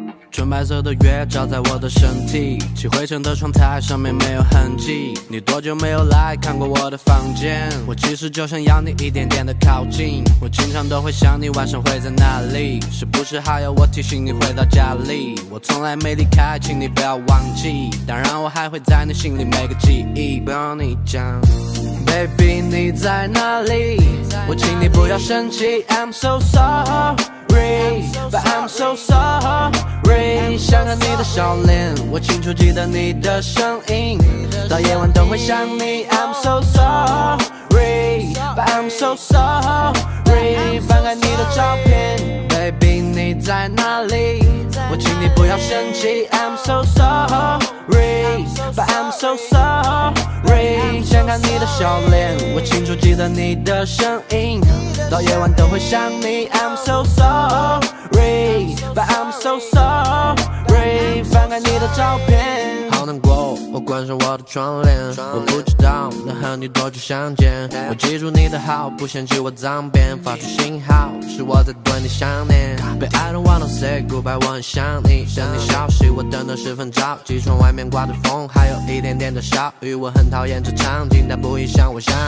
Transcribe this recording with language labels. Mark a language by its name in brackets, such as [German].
[Chinese] 纯白色的月照在我的身体，起灰尘的窗台上面没有痕迹，你多久没有来看过我的房间，我其实就想要你一点点的靠近，我经常都会想你晚上会在哪里，是不是还要我提醒你回到家里，我从来没离开，请你不要忘记，当然我还会在你心里每个记忆不要你讲 Baby 你在哪里，我请你不要生气 [English] I'm so sorry But I'm so sorry [Chinese] 想着你的笑脸，我清楚记得你的声音，到夜晚都会想你。 [English] I'm so sorry, but I'm so sorry. [Chinese] 翻开你的照片 ，Baby 你在哪里？我请你不要生气。 [English] I'm so sorry, but I'm so sorry. [Chinese] 想看你的笑脸，我清楚记得你的声音，到夜晚都会想你。 [English] I'm so sorry, but I'm so sorry. [Chinese] 翻开你的照片。难过，我关上我的窗帘，我不知道能和你多久相见，我记住你的好，不想记我脏辫，发出信号是我在对你想念， [English] But I don't wanna say goodbye， [Chinese] 我很想你，等你消息我等得十分着急，窗外面刮着风还有一点点的小雨，我很讨厌这场景，但不影响我想